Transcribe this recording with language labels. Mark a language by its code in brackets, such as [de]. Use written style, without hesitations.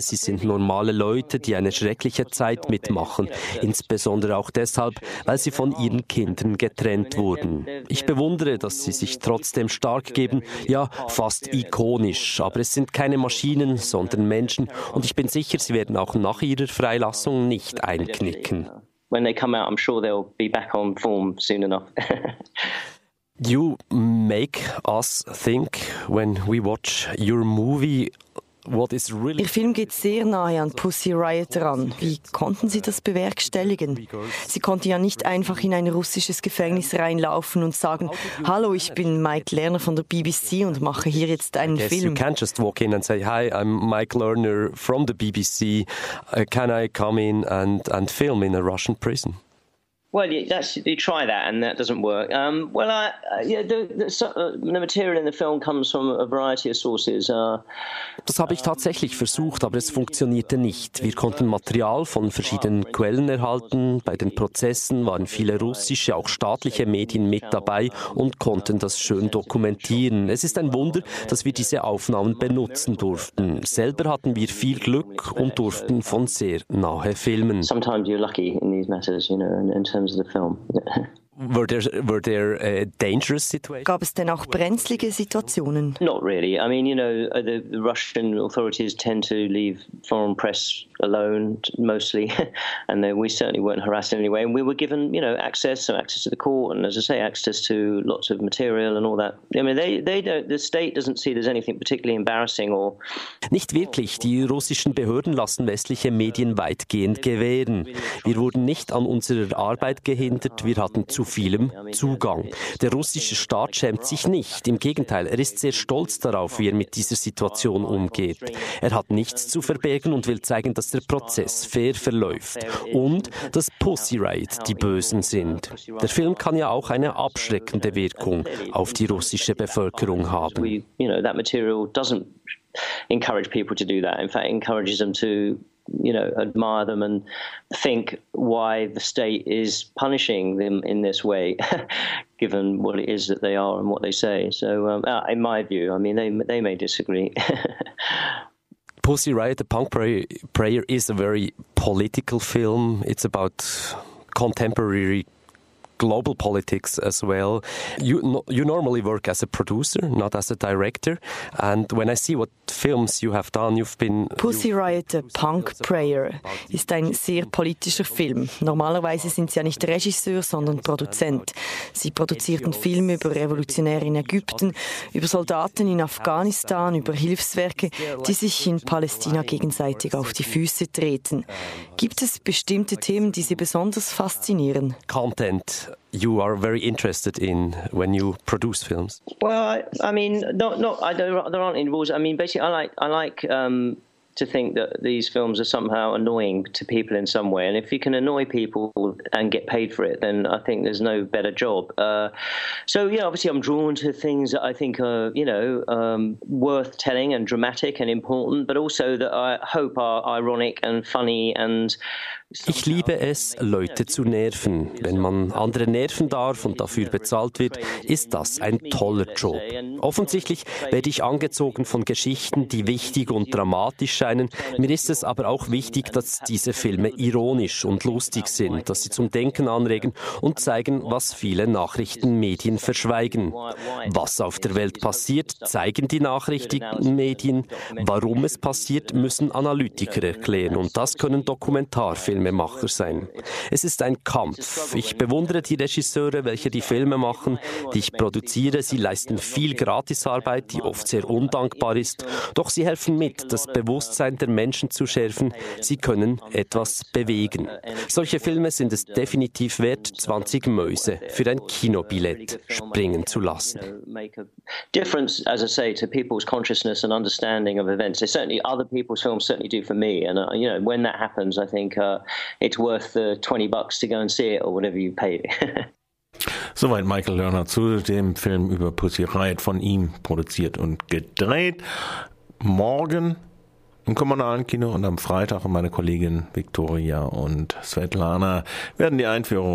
[de] Sie sind normale Leute, die eine schreckliche Zeit mitmachen, insbesondere auch deshalb, weil sie von ihren Kindern getrennt wurden. Ich bewundere, dass sie sich trotzdem stark geben, ja, fast ikonisch, aber es sind keine Maschinen, sondern Menschen, und ich bin sicher, sie werden auch nach ihrer Freilassung nicht einknicken. [en] When they come out, I'm sure they'll be back on form soon enough. You make us think when we watch your movie. What is really [de] Ihr Film geht sehr nahe an Pussy Riot ran. Wie konnten Sie das bewerkstelligen? Sie konnten ja nicht einfach in ein russisches Gefängnis reinlaufen und sagen, hallo, ich bin Mike Lerner von der BBC und mache hier jetzt einen Film. You can't just walk in and say, hi, I'm Mike Lerner from the BBC. Can I come in and film in a Russian prison? Well, that's, you try that and that doesn't work. Well, I, yeah, the material in the film comes from a variety of sources. Das habe ich tatsächlich versucht, aber es funktionierte nicht. Wir konnten Material von verschiedenen Quellen erhalten. Bei den Prozessen waren viele russische, auch staatliche Medien mit dabei und konnten das schön dokumentieren. Es ist ein Wunder, dass wir diese Aufnahmen benutzen durften. Selber hatten wir viel Glück und durften von sehr nahe filmen. [en] Sometimes you're lucky in these matters, you know, in terms of the film. Were there dangerous situations? [de] Gab es denn auch brenzlige Situationen? [en] Not really. I mean, you know, the Russian authorities tend to leave foreign press alone mostly, and then we certainly weren't harassed in any way. And we were given, you know, access, so access to the court, and as I say, access to lots of material and all that. I mean, they don't. The state doesn't see there's anything particularly embarrassing or. [de] Nicht wirklich. Die russischen Behörden lassen westliche Medien weitgehend gewähren. Wir wurden nicht an unserer Arbeit gehindert. Wir hatten zu vielem Zugang. Der russische Staat schämt sich nicht. Im Gegenteil, er ist sehr stolz darauf, wie er mit dieser Situation umgeht. Er hat nichts zu verbergen und will zeigen, dass der Prozess fair verläuft und dass Pussy Riot die Bösen sind. Der Film kann ja auch eine abschreckende Wirkung auf die russische Bevölkerung haben. [en] That material doesn't encourage people to do that. In fact, encourages them to, you know, admire them and think why the state is punishing them in this way, given what it is that they are and what they say. So, in my view, I mean, they may disagree. Pussy Riot, The Punk Prayer, is a very political film. It's about contemporary global politics as well. You normally work as a producer, not as a director. And when I see what films you have done, you've been... [de] Pussy Riot, a Punk Prayer, ist ein sehr politischer Film. Normalerweise sind sie ja nicht Regisseur, sondern Produzent. Sie produzierten Filme über Revolutionäre in Ägypten, über Soldaten in Afghanistan, über Hilfswerke, die sich in Palästina gegenseitig auf die Füße treten. Gibt es bestimmte Themen, die Sie besonders faszinieren? [en] Content. You are very interested in when you produce films. Well, I mean, there aren't any rules. I mean, basically, I like to think that these films are somehow annoying to people in some way. And if you can annoy people and get paid for it, then I think there's no better job. So yeah, obviously, I'm drawn to things that I think are, you know, worth telling and dramatic and important, but also that I hope are ironic and funny and. [de] Ich liebe es, Leute zu nerven. Wenn man andere nerven darf und dafür bezahlt wird, ist das ein toller Job. Offensichtlich werde ich angezogen von Geschichten, die wichtig und dramatisch scheinen. Mir ist es aber auch wichtig, dass diese Filme ironisch und lustig sind, dass sie zum Denken anregen und zeigen, was viele Nachrichtenmedien verschweigen. Was auf der Welt passiert, zeigen die Nachrichtenmedien. Warum es passiert, müssen Analytiker erklären und das können Dokumentarfilme. Filmemacher sein. Es ist ein Kampf. Ich bewundere die Regisseure, welche die Filme machen, die ich produziere. Sie leisten viel Gratisarbeit, die oft sehr undankbar ist. Doch sie helfen mit, das Bewusstsein der Menschen zu schärfen. Sie können etwas bewegen. Solche Filme sind es definitiv wert, 20 Mäuse für ein Kinobillett springen zu lassen. [en] Difference, as I say, to people's consciousness and understanding of events. Certainly other people's films certainly do for me. And you know, when that happens, I think it's worth the $20 to go and see it or whatever you pay. [de] Soweit Michael Lerner zu dem Film über Pussy Riot, von ihm produziert und gedreht. Morgen im kommunalen Kino und am Freitag, und meine Kollegin Victoria und Svetlana werden die Einführung